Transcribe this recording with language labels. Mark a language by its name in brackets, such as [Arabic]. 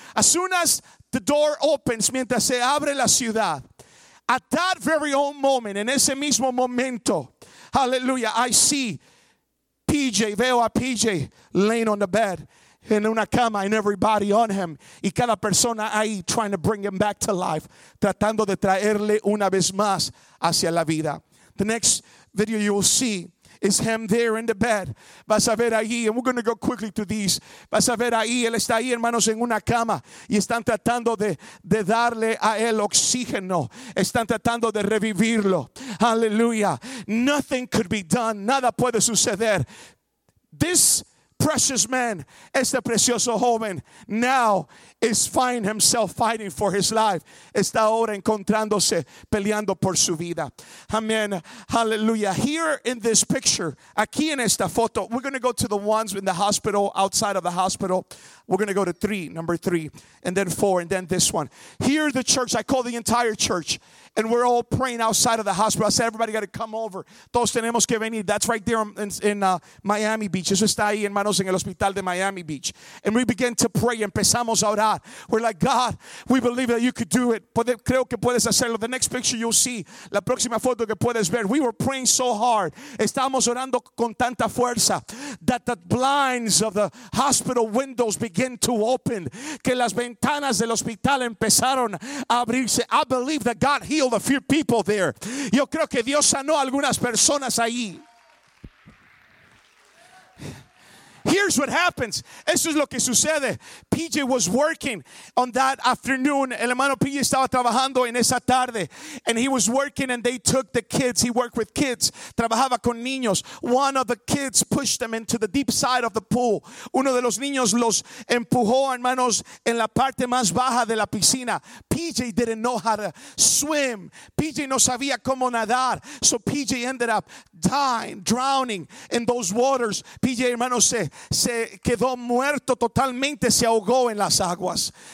[English] As soon as the door opens, [Spanish] mientras se abre la ciudad, [English] at that very own moment, [Spanish] en ese mismo momento, [English] hallelujah, I see PJ, [Spanish] veo a PJ [English] laying on the bed, [Spanish] en una cama, [English] and everybody on him, [Spanish] y cada persona ahí [English] trying to bring him back to life, [Spanish] tratando de traerle una vez más hacia la vida. [English] The next video you will see is him there in the bed. [Spanish] Vas a ver ahí, [English] and we're going to go quickly to these. [Spanish] Vas a ver ahí, él está ahí, hermanos, en una cama, y están tratando de darle a él oxígeno. Están tratando de revivirlo. Hallelujah. [English] Nothing could be done. [Spanish] Nada puede suceder. [English] This precious man, [Spanish] este precioso joven, [English] now is finding himself fighting for his life. [Spanish] Está ahora encontrándose peleando por su vida. Amen. Hallelujah. [English] Here in this picture, [Spanish] aquí en esta foto, [English] we're going to go to the ones in the hospital, outside of the hospital. We're going to go to number three, and then four, and then this one. Here, the church, I call the entire church, and we're all praying outside of the hospital. I said, everybody got to come over. [Spanish] Todos tenemos que venir. [English] That's right there in Miami Beach. [Spanish] Eso está ahí, hermanos, en el hospital de Miami Beach. [English] And we begin to pray. [Spanish] Empezamos a orar. [English] We're like, God, we believe that you could do it. [Spanish] Creo que puedes hacerlo. [English] The next picture you'll see, [Spanish] la próxima foto que puedes ver, [English] we were praying so hard. [Spanish] Estábamos orando con tanta fuerza [English] that the blinds of the hospital windows begin to open, [Spanish] que las ventanas del hospital empezaron a abrirse. [English] I believe that God healed a few people there. [Spanish] Yo creo que Dios sanó algunas personas ahí. [English] Here's what happens. [Spanish] Eso es lo que sucede. [English] PJ was working on that afternoon. [Spanish] El hermano PJ estaba trabajando en esa tarde. [English] And he was working and they took the kids. He worked with kids. [Spanish] Trabajaba con niños. [English] One of the kids pushed them into the deep side of the pool. [Spanish] Uno de los niños los empujó, hermanos, en la parte más baja de la piscina. [English] PJ didn't know how to swim. [Spanish] PJ no sabía cómo nadar. [English] So PJ ended up dying, drowning in those waters. [Spanish] PJ, hermanos, se quedó muerto totalmente, se ahogó en las aguas.